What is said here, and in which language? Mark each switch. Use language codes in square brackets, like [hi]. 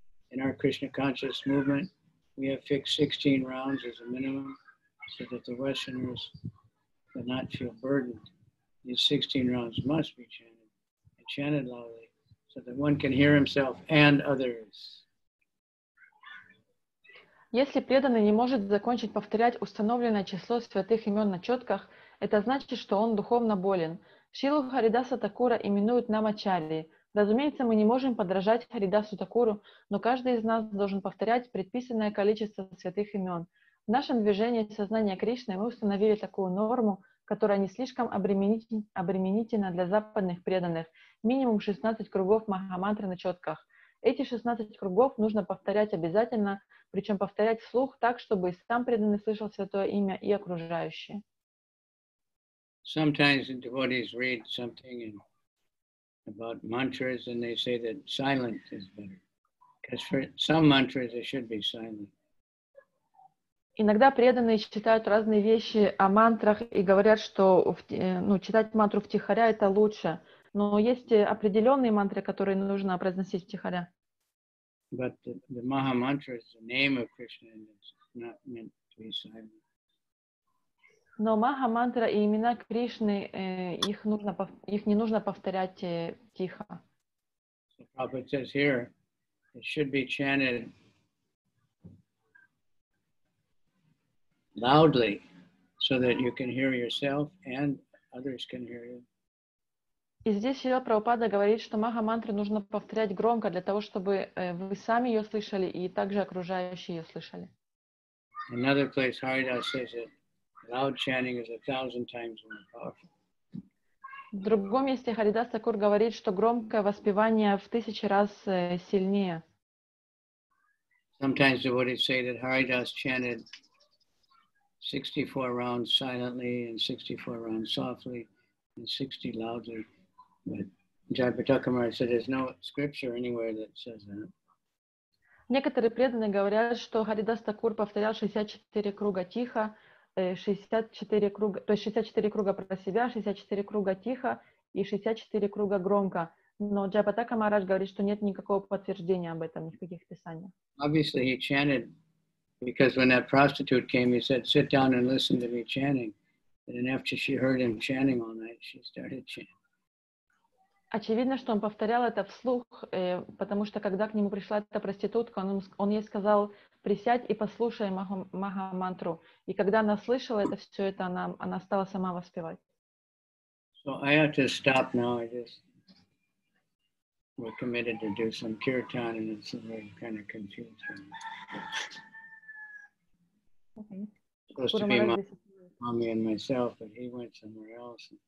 [en] In our Krishna conscious movement, we have fixed 16 rounds as a minimum so that the Westerners will not feel burdened. These 16 rounds must be chanted and chanted loudly so that one can hear himself and others. [ru] Если преданный не может закончить повторять установленное число святых имен на четках, это значит, что он духовно болен. Шрилу Харидаса Ṭhākura именуют Намачарьей. Разумеется, мы не можем подражать Харидасу Ṭhākura, но каждый из нас должен повторять предписанное количество святых имен. В нашем движении сознания Кришны мы установили такую норму, которая не слишком обременительна для западных преданных. Минимум 16 кругов Махамантры на четках. Эти 16 кругов нужно повторять обязательно, причем повторять вслух так, чтобы и сам преданный слышал святое имя и окружающие. [en] Sometimes the devotees read something about mantras and they say that silent is better. Because for some mantras it should be silent. [ru] Иногда преданные читают разные вещи о мантрах и говорят, что читать мантру втихаря это лучше. Но есть определенные мантры, которые нужно произносить втихаря. [en] But the Maha Mantra is the name of Krishna and it's not meant to be silent. [ru] Но Маха Мантра и имена Кришны, их нужно, их не нужно повторять тихо. [en] So Prabhupada says here, it should be chanted loudly so that you can hear yourself and others can hear you. [ru] И здесь Шрила Прабхупада говорит, что Маха Мантра нужно повторять громко для того, чтобы вы сами ее слышали и также окружающие ее слышали. [en] Another place Haridas says it. Loud chanting is 1,000 times more powerful. [ru] В другом месте Харидаса Ṭhākura говорит, что громкое воспевание в 1000 раз сильнее. [en] Sometimes devotees say that Haridas chanted 64 rounds silently and 64 rounds softly and 60 loudly. But Jayapatakamara said there's no scripture anywhere that says that. [ru] Некоторые преданные говорят, что Харидаса Ṭhākura повторял 64 круга тихо, 64 круга, то есть 64 круга про себя, 64 круга тихо и 64 круга громко. Но Джайпатака Махарадж говорит, что нет никакого подтверждения об этом, никаких писаний. [en] Obviously he chanted because when that prostitute came, he said, sit down and listen to me chanting. And then after she heard him chanting all night, she started chanting. [ru] Очевидно, что он повторял это вслух, потому что когда к нему пришла эта проститутка, он ей сказал, присядь и послушай Маха-мантру. И когда она слышала это все, это она стала сама воспевать. [en] So I have to stop now. I just we're committed to do some kirtan and it's kind of confusing. It's supposed to be mommy and myself, but he went somewhere else.